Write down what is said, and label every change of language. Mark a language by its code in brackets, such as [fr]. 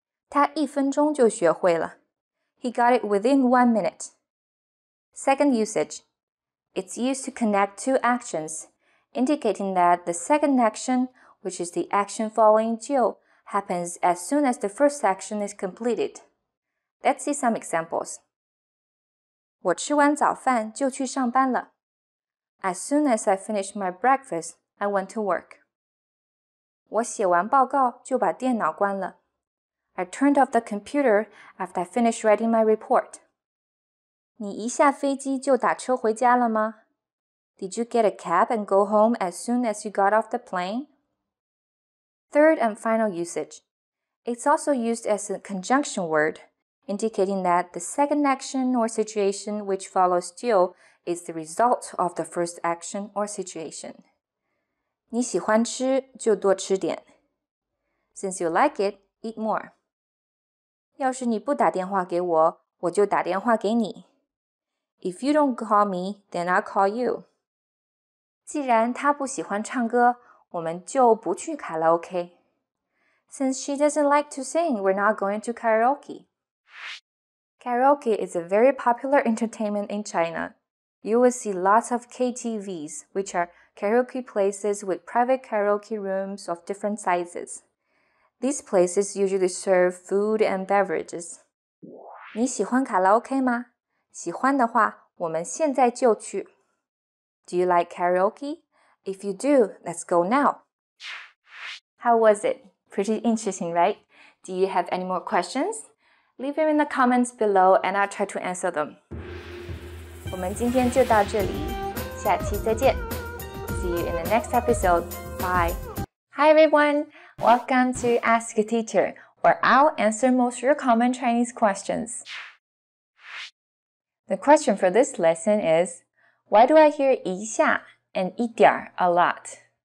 [en] 他一分钟就学会了。 He got it within 1 minute. Second usage. It's used to connect two actions, indicating that the second action, which is the action following 就, happens as soon as the first action is completed. Let's see some examples. [zh] 我吃完早饭就去上班了。 [en] As soon as I finished my breakfast, I went to work. [zh] 我写完报告就把电脑关了。 [en] I turned off the computer after I finished writing my report. [zh] 你一下飞机就打车回家了吗? [en] Did you get a cab and go home as soon as you got off the plane? Third and final usage. It's also used as a conjunction word. Indicating that the second action or situation which follows 就 is the result of the first action or situation. [zh] 你喜欢吃就多吃点。 [en] Since you like it, eat more. [zh] 要是你不打电话给我,我就打电话给你。 [en] If you don't call me, then I'll call you. [zh] 既然她不喜欢唱歌,我们就不去卡拉 OK。 [en] Since she doesn't like to sing, we're not going to karaoke. Karaoke is a very popular entertainment in China. You will see lots of KTVs, which are karaoke places with private karaoke rooms of different sizes. These places usually serve food and beverages. [zh] 你喜欢卡拉 OK 吗? 喜欢的话,我们现在就去。 [en] Do you like karaoke? If you do, let's go now. How was it? Pretty interesting, right? Do you have any more questions? Leave them in the comments below and I'll try to answer them. [zh] 我们今天就到这里，下期再见。 [en] See you in the next episode. Bye. Hi everyone. Welcome to Ask a Teacher, where I'll answer most of your common Chinese questions. The question for this lesson is, why do I hear 一下 and 一点 a lot?